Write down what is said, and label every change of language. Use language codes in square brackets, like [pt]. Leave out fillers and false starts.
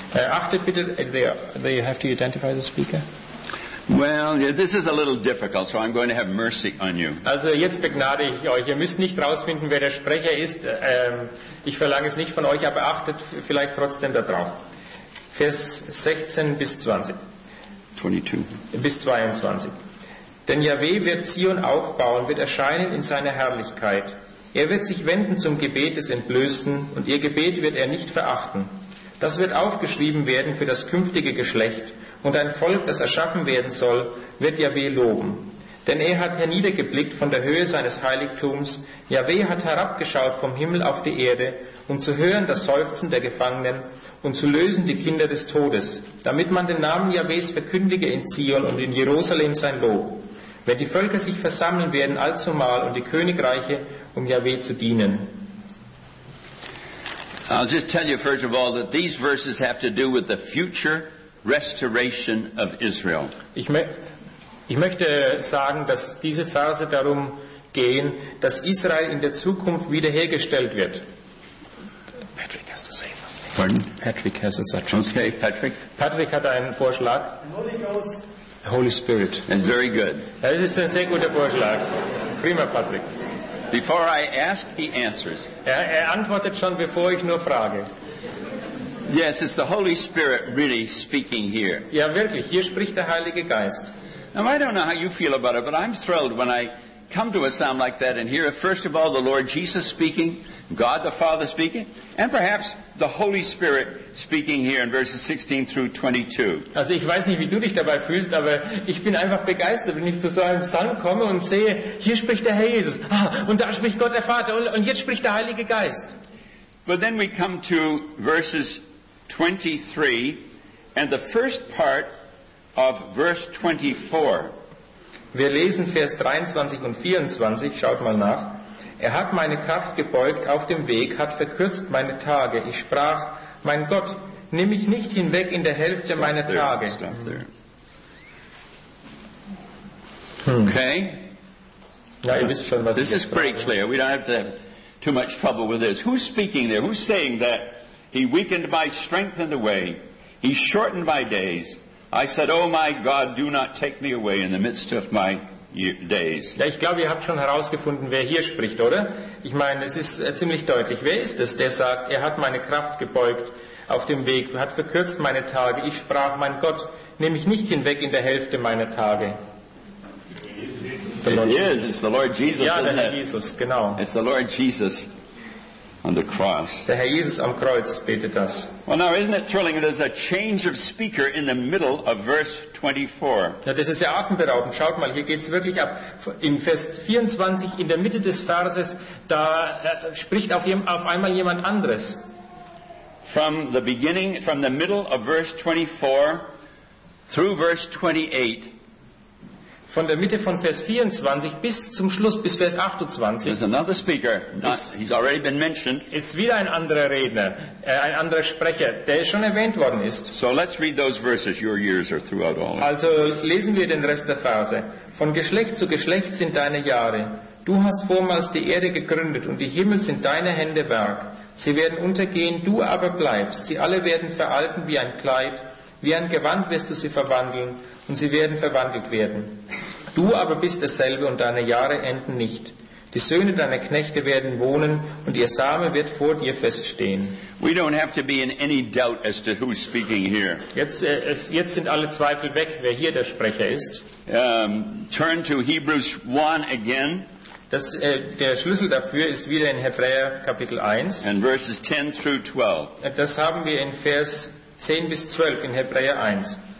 [de] Achte bitte, [en] they have to identify the speaker. Well, yeah, this is a little difficult, so I'm going to have mercy on you. [de] Also jetzt begnade ich euch. Ihr müsst nicht rausfinden, wer der Sprecher ist. Ich verlange es nicht von euch, aber achtet vielleicht trotzdem darauf. Vers 16 bis 20. 22. Bis 22. Denn Yahweh wird Zion aufbauen, wird erscheinen in seiner Herrlichkeit. Er wird sich wenden zum Gebet des Entblößten und ihr Gebet wird er nicht verachten. Das wird aufgeschrieben werden für das künftige Geschlecht. Und ein Volk, das erschaffen werden soll, wird Yahweh loben. Denn er hat herniedergeblickt von der Höhe seines Heiligtums. Yahweh hat herabgeschaut vom Himmel auf die Erde, um zu hören das Seufzen der Gefangenen und zu lösen die Kinder des Todes, damit man den Namen Yahwehs verkündige in Zion und in Jerusalem sein Lob. Wenn die Völker sich versammeln werden allzumal und die Königreiche, um Yahweh zu dienen. [en] I'll just tell you first of all that these verses have to do with the future restoration of Israel. [de] Ich möchte sagen, dass diese Verse darum gehen, dass Israel in der Zukunft wiederhergestellt wird. [en] Patrick has to say something. Pardon? Patrick has a suggestion. Okay, Patrick. [de] Patrick hat einen Vorschlag. [en] The Holy Spirit. And very good. [de] Das ist ein sehr guter Vorschlag. Prima, Patrick. [en] Before I ask, he answers. [de] Er antwortet schon, bevor ich nur frage. [en] Yes, it's the Holy Spirit really speaking here. [de] Ja, wirklich. Hier spricht der Heilige Geist. [en] Now, I don't know how you feel about it, but I'm thrilled when I come to a psalm like that and hear, first of all, the Lord Jesus speaking, God the Father speaking, and perhaps the Holy Spirit speaking here in verses 16 through 22. [de] Also, ich weiß nicht, wie du dich dabei fühlst, aber ich bin einfach begeistert, wenn ich zu so einem Psalm komme und sehe, hier spricht der Herr Jesus, und da spricht Gott der Vater, und jetzt spricht der Heilige Geist. [en] But then we come to verses 23 and the first part of verse 24. [de] Wir lesen Vers 23 und 24, schaut mal nach. Er hat meine Kraft gebeugt auf dem Weg, hat verkürzt meine Tage. Ich sprach, mein Gott, nimm mich nicht hinweg in der Hälfte meiner Tage. [en] Okay. [de] Ja, ihr wisst schon, was [en] this [de] ich [en] is pretty [de] sprach, [en] clear. We don't have to have too much trouble with this. Who's speaking there? Who's saying that? He weakened my strength in the way. He shortened my days. I said, oh my God, do not take me away in the midst of my days. [de] Ja, ich glaube, ihr habt schon herausgefunden, wer hier spricht, oder? Ich meine, es ist ziemlich deutlich. Wer ist es, der sagt, er hat meine Kraft gebeugt auf dem Weg, hat verkürzt meine Tage. Ich sprach, mein Gott, nehme mich nicht hinweg in der Hälfte meiner Tage. [en] It is. It's the Lord Jesus, [de] ja, [en] isn't [de] der Herr [en] it? [de] Jesus, genau. [en] It's the Lord Jesus. on the cross. [de] Der Herr Jesus am Kreuz betet das. [en] Well, now isn't it thrilling? There's a change of speaker in the middle of verse 24. [de] Ja, das ist ja atemberaubend. Schaut mal, hier geht's wirklich ab. In Vers 24, in der Mitte des Verses, da spricht auf einmal jemand anderes. [en] From the beginning, from the middle of verse 24 through verse 28. [de] Von der Mitte von Vers 24 bis zum Schluss, bis Vers 28. [en] There's another speaker. He's already been mentioned. [de] Ist wieder ein anderer Redner, ein anderer Sprecher, der schon erwähnt worden ist. [en] So let's read those verses. Your years are throughout all. [de] Also lesen wir den Rest der Verse. Von Geschlecht zu Geschlecht sind deine Jahre. Du hast vormals die Erde gegründet und die Himmel sind deine Hände Werk. Sie werden untergehen, du aber bleibst. Sie alle werden veralten wie ein Kleid. Wie ein Gewand wirst du sie verwandeln. Und sie werden verwandelt werden. Du aber bist dasselbe und deine Jahre enden nicht. Die Söhne deiner Knechte werden wohnen und ihr Same wird vor dir feststehen. [en] We don't have to be in any doubt as to who's speaking here. [de] Jetzt sind alle Zweifel weg, wer hier der Sprecher ist. [en] Turn to Hebrews 1 again. [de] Der Schlüssel dafür ist wieder in Hebräer Kapitel 1. [en] And verses 10 through 12. [de] Das haben wir in Vers 10 bis 12 in Hebräer 1.